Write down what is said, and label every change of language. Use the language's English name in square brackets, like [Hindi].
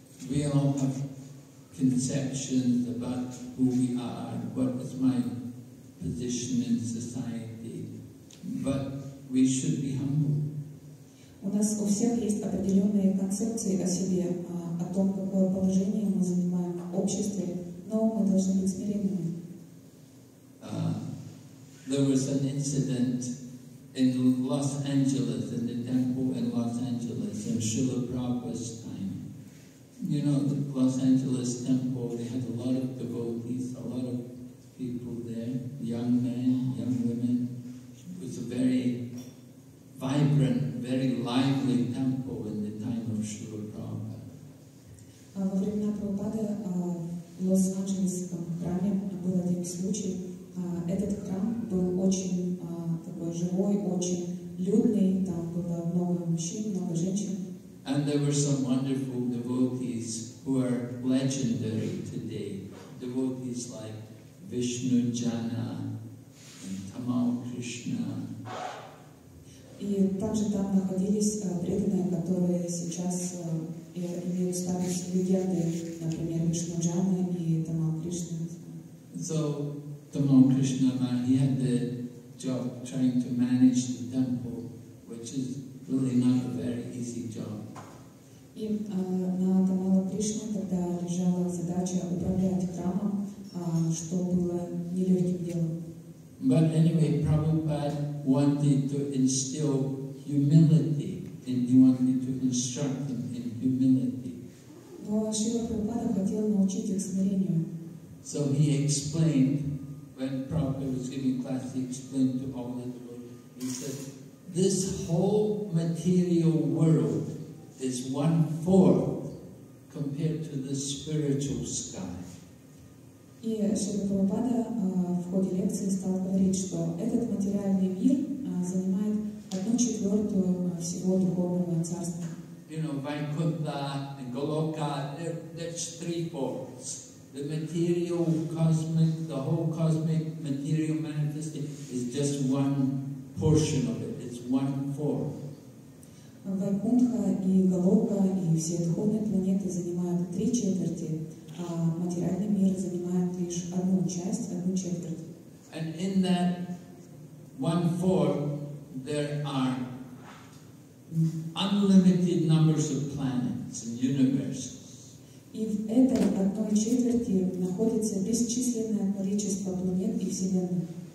[English] We all have conceptions about who we are, what is my position in society, but we should be humble. [Russian] У нас у всех есть определенные концепции о себе, о том, какое положение мы занимаем в обществе, но мы должны быть смиренными. [English] There was an incident in Los Angeles, in the temple in Los Angeles, in Srila Prabhupada's time. You know, the Los Angeles temple, they had a lot of devotees, a lot of people there, young men, young women. It was a very vibrant, very lively temple in the time of Srila Prabhupada. [Russian] Во времена Прабхупады в Лос-Анджелесском храме был один случай. Этот храм был очень живой, очень людный, там было много мужчин, много женщин. [English] And there were some wonderful devotees who are legendary today. Devotees like Vishnu Jana and Tamal Krishna. [Russian] И также там находились преданные, которые сейчас имеют статус легенды, например, Вишну Джана и Тамал Кришна. [English] So Tamal Krishna, he had the job trying to manage the temple, which is really not a very easy job. [Russian] И на Тамала Кришне тогда лежала задача управлять храмом, что было нелегким делом. [English] But anyway, Prabhupada wanted to instill humility, and he wanted to instruct them in humility. [Russian] Но Шрила Прабхупада хотел научить их смирению. [English] So he explained. When Prabhupada was giving class, he explained to all the devotees, he said, this whole material world is one-fourth compared to the spiritual sky. [Russian] И Шрила Прабхупада в ходе лекции стал говорить, что этот материальный мир занимает 1/4 всего духовного царства. [English] You know, Vaikuntha and Goloka, that's 3/4. The material cosmic, the whole cosmic material manifestation is just one portion of it. It's 1/4. [Russian] Вайкунтха и Галока и все духовные планеты занимают 3/4, а материальный мир занимает лишь 1/4. [English] And in that 1/4, there are unlimited numbers of planets and universes. [Russian] И в этой 1/4 находится бесчисленное количество планет и Вселенных.